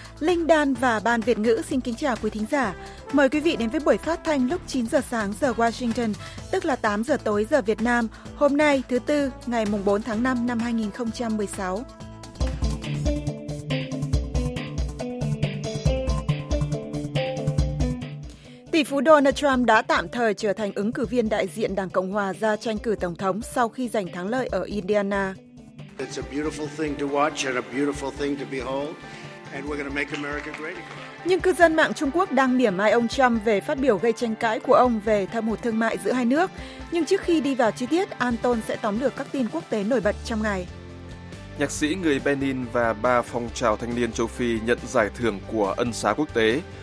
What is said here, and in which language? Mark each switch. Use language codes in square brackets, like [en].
[vi] Linh Đan và Ban Việt ngữ xin kính chào quý thính giả. Mời quý vị đến với buổi phát thanh lúc 9 giờ sáng giờ Washington, tức là 8 giờ tối giờ Việt Nam, hôm nay thứ Tư, ngày 4 tháng 5 năm 2016. Tỷ phú Donald Trump đã tạm thời trở thành ứng cử viên đại diện Đảng Cộng Hòa ra tranh cử Tổng thống sau khi giành thắng lợi ở Indiana. [en] It's a beautiful thing to watch and a beautiful thing to behold, and we're going to make America great again. [vi] Nhưng cư dân mạng Trung Quốc đang mỉa mai ông Trump về phát biểu gây tranh cãi của ông về thâm hụt thương mại giữa hai nước. Nhưng trước khi đi vào chi tiết, Anton sẽ tóm lược các tin quốc tế nổi bật trong ngày. Nhạc sĩ người Benin và ba phong trào thanh niên châu Phi nhận giải thưởng của ân xá quốc tế.